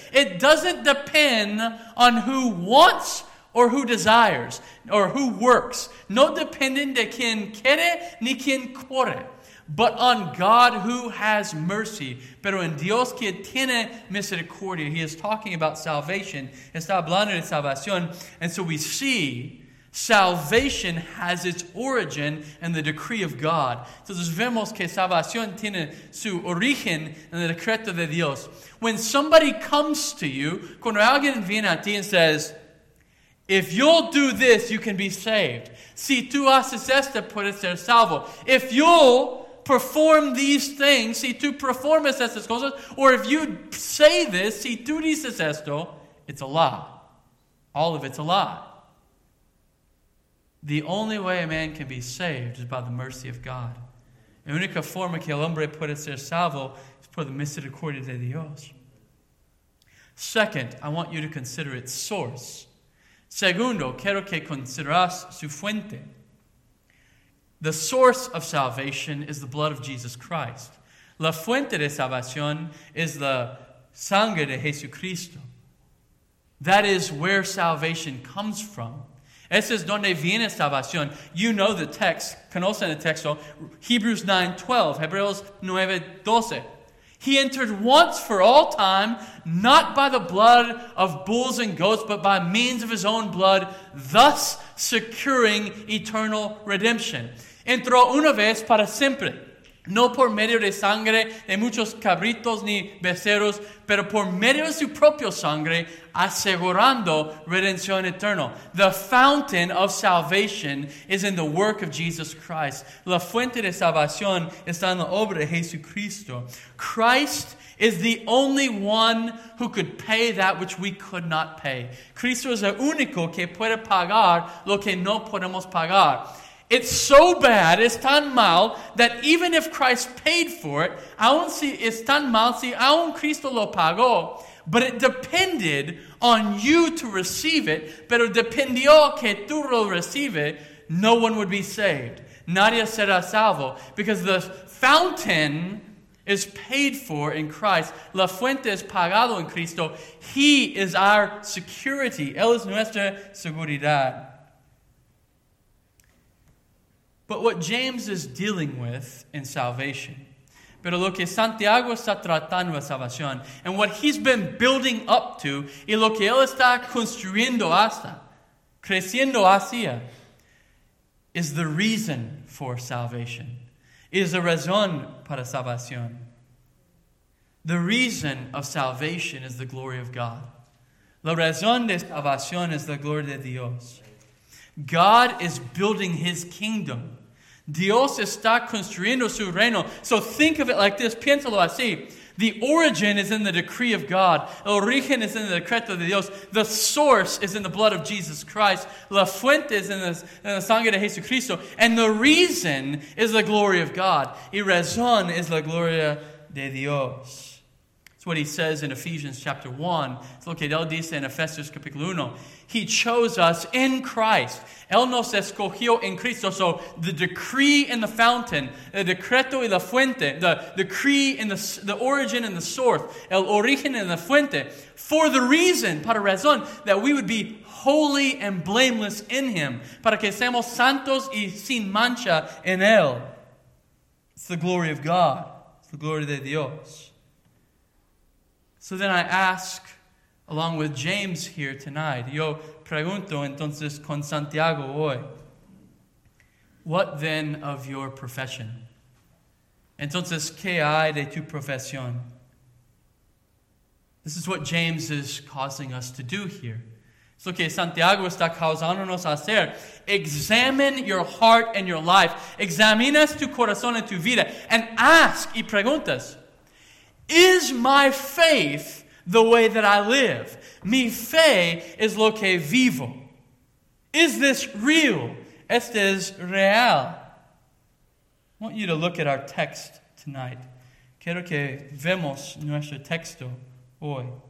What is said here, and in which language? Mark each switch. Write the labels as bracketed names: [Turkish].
[English] It doesn't depend on who wants or who desires, or who works. [Spanish] No dependen de quien quiere ni quien quiere. [English] But on God who has mercy. [Spanish] Pero en Dios que tiene misericordia. [English] He is talking about salvation. [Spanish] Está hablando de salvación. [English] And so we see salvation has its origin in the decree of God. [Spanish] Entonces vemos que salvación tiene su origen en el decreto de Dios. [English] When somebody comes to you, [Spanish] cuando alguien viene a ti [English] and says, if you'll do this, you can be saved. [Spanish] Si tú haces esto, puedes ser salvo. [English] If you'll perform these things, [Spanish] si tú performas estas cosas, [English] or if you say this, [Spanish] si tú dices esto, [English] it's a lie. All of it's a lie. The only way a man can be saved is by the mercy of God. [Spanish] La única forma que el hombre puede ser salvo es por la misericordia de Dios. [English] Second, I want you to consider its source. [Spanish] Segundo, quiero que consideras su fuente. [English] The source of salvation is the blood of Jesus Christ. [Spanish] La fuente de salvación es la sangre de Jesucristo. [English] That is where salvation comes from. [Spanish] Ese es donde viene salvación. [English] You know the text. [Spanish] Conocen el texto. [English] Hebreos 9:12. He entered once for all time, not by the blood of bulls and goats, but by means of his own blood, thus securing eternal redemption. [Spanish] Entró una vez para siempre. No por medio de sangre de muchos cabritos ni becerros, pero por medio de su propia sangre, asegurando redención eterna. [English] The fountain of salvation is in the work of Jesus Christ. [Spanish] La fuente de salvación está en la obra de Jesucristo. [English] Christ is the only one who could pay that which we could not pay. [Spanish] Cristo es el único que puede pagar lo que no podemos pagar. [English] It's so bad, it's [Spanish] tan mal, [English] that even if Christ paid for it, [Spanish] aun si es tan mal, si aun Cristo lo pagó, [English] but it depended on you to receive it, [Spanish] pero dependió que tú lo recibes, [English] no one would be saved. [Spanish] Nadie será salvo, [English] because the fountain is paid for in Christ. [Spanish] La fuente es pagado en Cristo. [English] He is our security. [Spanish] Él es nuestra seguridad. [English] But what James is dealing with in salvation, [Spanish] pero lo que Santiago está tratando de salvación, [English] and what he's been building up to, [Spanish] y lo que él está construyendo hasta, creciendo hacia, [English] is the reason for salvation, is the [Spanish] razón para salvación. [English] The reason of salvation is the glory of God. [Spanish] La razón de salvación es la gloria de Dios. [English] God is building his kingdom. [Spanish] Dios está construyendo su reino. [English] So think of it like this. [Spanish] Piénsalo así. [English] The origin is in the decree of God. [Spanish] El origen es en el decreto de Dios. [English] The source is in the blood of Jesus Christ. [Spanish] La fuente es en la sangre de Jesucristo. [English] And the reason is the glory of God. [Spanish] Y razón es la gloria de Dios. [English] It's what he says in Ephesians chapter 1. [Spanish] It's lo que él dice en Efesios capítulo 1. [English] He chose us in Christ. [Spanish] Él nos escogió en Cristo. [English] So the decree and the fountain, [Spanish] el decreto y la fuente, [English] the decree and the origin and the source, [Spanish] el origen [English] and the fuente, for the reason, [Spanish] para razón, [English] that we would be holy and blameless in him, [Spanish] para que seamos santos y sin mancha en él. [English] It's the glory of God. It's the glory de Dios. So then I ask, along with James here tonight, [Spanish] yo pregunto entonces con Santiago hoy, [English] what then of your profession? [Spanish] Entonces, ¿qué hay de tu profesión? [English] This is what James is causing us to do here. [Spanish] Es lo que Santiago está causándonos a hacer. [English] Examine your heart and your life. [Spanish] Examinas tu corazón y tu vida. [English] And ask [Spanish] y preguntas, [English] is my faith the way that I live? [Spanish] Mi fe es lo que vivo. [English] Is this real? [Spanish] Este es real. [English] I want you to look at our text tonight. [Spanish] Quiero que vemos nuestro texto hoy.